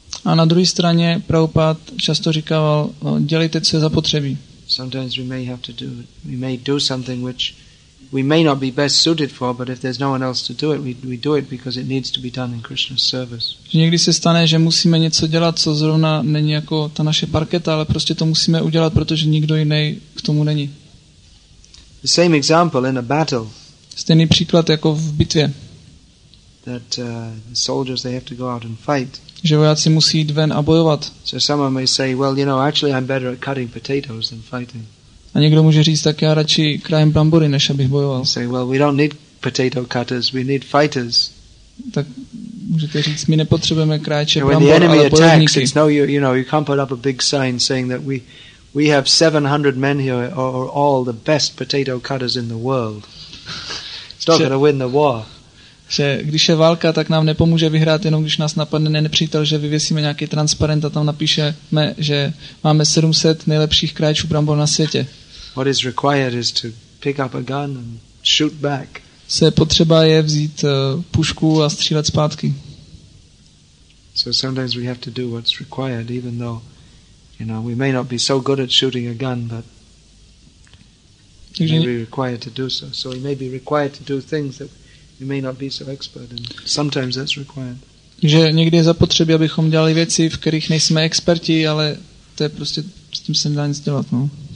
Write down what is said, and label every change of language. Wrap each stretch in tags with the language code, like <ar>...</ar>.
<cs>A na druhé straně Prabhupada často říkal, dělejte, co je zapotřebí.</cs> <en>Sometimes we may have to do it. We may do something which we may not be best suited for, but if there's no one else to do it, we do it because it needs to be done in Krishna's service.</en> <cs>Někdy se stane, že musíme něco dělat, co zrovna není jako ta naše parketa, ale prostě to musíme udělat, protože nikdo jiný k tomu není.</cs> <en>The same example in a battle.</en> <cs>Stejný příklad jako v bitvě.</cs> <en>That the soldiers, they have to go out and fight.</en> <cs>Že vojáci musí jít ven a bojovat.</cs> <en>So someone may say, well, you know, actually I'm better at cutting potatoes than fighting.</en> <cs>A někdo může říct, tak já radši krájím brambory, než abych bojoval.</cs> <en>Say, well, we don't need potato cutters, we need fighters.</en> <cs>Tak můžete říct, my nepotřebujeme krájče brambor, ale bojovníky.</cs> <en>When the enemy attacks, it's no, you know, you can't put up a big sign saying that we have 700 men here or all the best potato cutters in the world. It's not going to win the war.</en> <cs>Že když je válka, tak nám nepomůže vyhrát, jenom když nás napadne nepřítel, že vyvěsíme nějaký transparent a tam napíšeme, že máme 700 nejlepších krajčů brambor na světě.</cs> <en>What is required is to pick up a gun and shoot back.</en> <cs>Se potřeba je vzít pušku a střílet zpátky.</cs> <en>So sometimes we have to do what's required, even though, you know, we may not be so good at shooting a gun, but we may be required to do so. So we may be required to do things that you may not be so expert in. Sometimes that's required.</en> <cs>Že někdy je zapotřebí, abychom dělali věci, v kterých nejsme experti, ale to je prostě, s tím se nedá nic dělat, no.</cs>